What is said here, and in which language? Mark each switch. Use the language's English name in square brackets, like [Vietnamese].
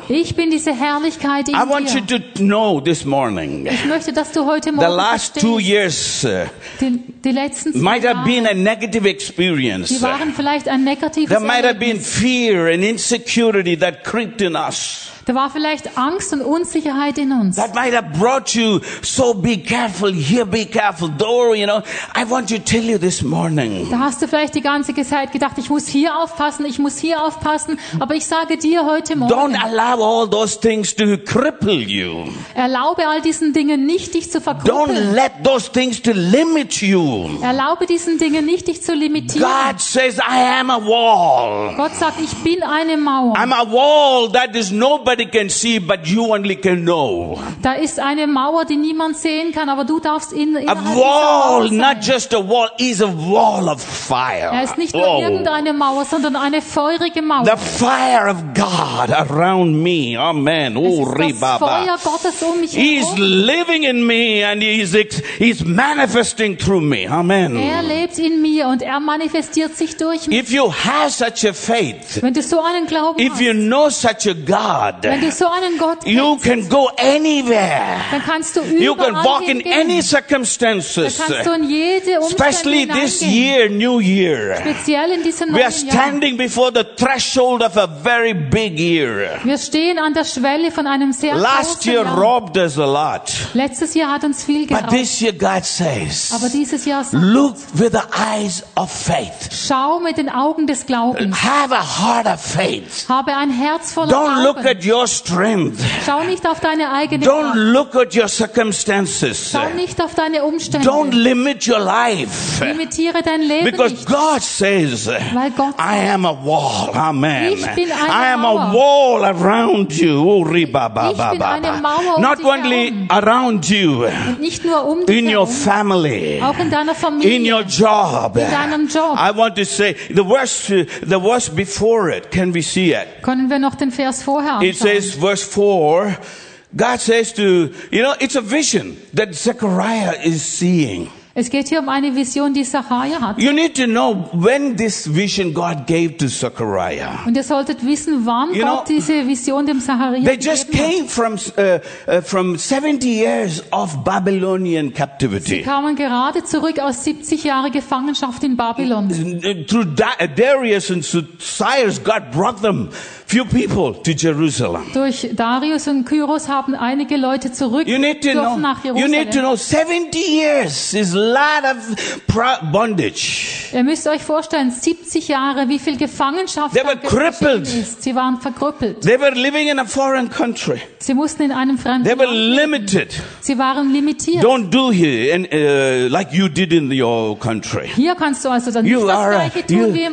[German] Ich bin diese Herrlichkeit in dir. [English] I want you to know this morning. [German] Ich möchte, dass du heute Morgen [English] the last 2 years might have been a negative experience. [German] Die waren vielleicht ein negatives Erlebnis. [English] There might have been fear and insecurity that crept in us. [German] Da war vielleicht Angst und Unsicherheit in uns. [English] That might have brought you, so be careful, here be careful, door, you know. I want to tell you this morning. [German] Da hast du vielleicht die ganze Zeit gedacht, ich muss hier aufpassen, ich muss hier aufpassen. Aber ich sage dir heute Morgen. [English] Don't allow all those things to cripple you. [German] Erlaube all diesen Dingen nicht, dich zu verkrüppeln. [English] Don't let those things to limit you. [German] Erlaube diesen Dingen nicht, dich zu limitieren. [English] God says, I am a wall. [German] Gott sagt, ich bin eine Mauer. [English] I'm a wall that is no Nobody can see, but you only can know. [German] Da ist eine Mauer, die niemand sehen kann, aber du darfst in [English] a wall, not just a wall, is a wall of fire. [German] Es ist nicht nur irgendeine Mauer, sondern eine feurige Mauer. [English] The fire of God around me, amen. Oh, [German] Ribaba. Das Feuer Gottes um mich herum. [English] He's living in me and he's manifesting through me, amen. [German] Er lebt in mir und er manifestiert sich durch mich. [English] If you have such a faith, [German] wenn du so einen Glauben hast, [English] if you know such a God. [German] Wenn du so einen Gott kennst, [English] you can go anywhere. [German] Dann kannst du überall [English] you can walk [German] hingehen. [English] In any circumstances. [German] Dann kannst du in jede Umstände [English] Especially [German] hineingehen. [English] This year, new year. [German] Speziell in diesem [English] we are standing [German] Jahr. [English] Before the threshold of a very big year. [German] Wir stehen an der Schwelle von einem sehr großen [English] Last [German] großen [English] year [German] Jahr. [English] Robbed us a lot. [German] Letztes Jahr hat uns viel geraubt. [English] But this year God says, [German] Aber dieses Jahr sagt [English] look with the eyes of faith. [German] Schau mit den Augen des Glaubens. [English] Have a heart of faith. [German] Habe ein Herz voller [English] Don't [German] Glauben. [English] Look at your strength. [German] Schau nicht auf deine eigene Kraft. [English] Don't look at your circumstances. [German] Schau nicht auf deine Umstände. [English] Don't limit your life. [German] Limitiere dein Leben [English] Because [German] nicht. [English] God says, [German] Weil Gott [English] I am a wall. Amen. [German] Ich bin eine [English] I am [German] Mauer. [English] A wall around you. Oh, riba, ba, [German] ich ba, ba, bin eine Mauer [English] Not only [German] herum. [English] Around you. [German] Und nicht nur um dich [English] In your [German] herum, [English] family. [German] Auch in deiner Familie. [English] In your job. [German] In deinem Job. [English] I want to say, the verse before it, can we see it? [German] Können wir noch den Vers vorher? [English] It says, verse 4, God says to, you know, it's a vision that Zechariah is seeing. [German] Es geht hier um eine Vision, die Zachariah hat. [English] You need to know when this vision God gave to Zechariah. [German] Und ihr solltet wissen, wann [English] you [German] Gott [English] know, [German] diese Vision dem Zachariah gegeben hat. [English] They just came from 70 years of Babylonian captivity. [German] Sie kamen gerade zurück aus 70 Jahre Gefangenschaft in Babylon. [English] Through Darius and Cyrus, God brought them few people to Jerusalem. [German] Durch Darius und Kyros haben einige Leute zurück nach Jerusalem. [English] You need to know 70 years is lot of bondage. [German] Ihr müsst euch vorstellen, 70 Jahre, wie viel Gefangenschaft [English] They were crippled. [German] Sie waren verkrüppelt. [English] They were living in a foreign country. [German] Sie mussten in einem fremden Land leben. [English] They were limited. [German] Sie waren limitiert. [English] Don't do here and, like you did in your country. [German] Hier kannst du also dann nicht das gleiche tun wie im